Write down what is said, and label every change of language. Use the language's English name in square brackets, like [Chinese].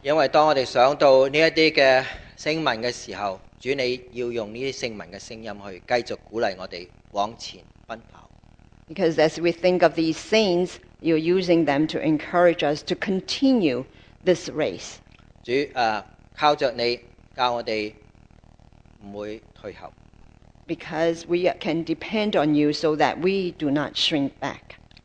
[Chinese] 因为当我们想到这些的声闻的时候，主你要用这些声闻的声音去继续鼓励我们往前奔跑。 [English] Because as we think of these saints, you're using them to encourage us to continue this race. [Chinese] 主，靠着你教我们不会退后。 [English] Because we can depend on you so that we do not shrink back.